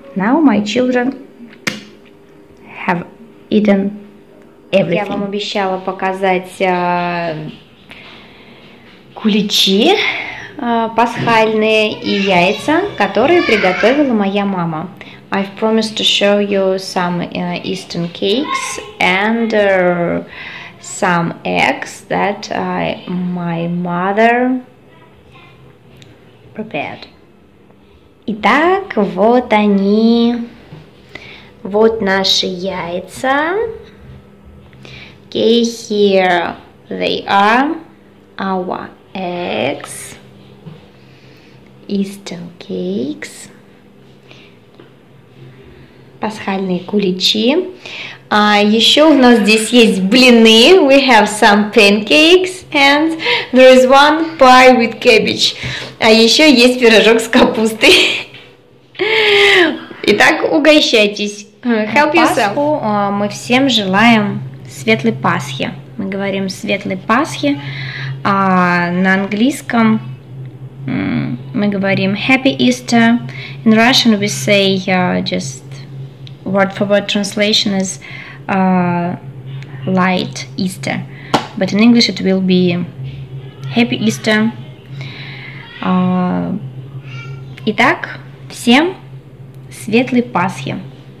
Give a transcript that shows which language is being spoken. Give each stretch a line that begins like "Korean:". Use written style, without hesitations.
English: Now my children have eaten everything.
Russian: Я вам обещала показать куличи пасхальные и яйца, которые приготовила моя мама.
English: I've promised to show you some Eastern cakes and some eggs that my mother prepared.
Russian: Итак, вот они. Вот наши яйца.
English: Okay, here they are. Our eggs. Eastern cakes.
Russian: Пасхальные куличи. Еще у нас здесь есть блины.
English: We have some pancakes and there is one pie with cabbage.
Russian: А еще есть пирожок с капустой. Итак, угощайтесь.
English: Help yourself.
Russian: Пасху мы всем желаем светлой Пасхи. Мы говорим светлой Пасхи, а на английском мы говорим
English: Happy Easter. In Russian we say just word for word translation is light Easter. But in English it will be Happy Easter.
Russian: Итак, всем светлой Пасхи.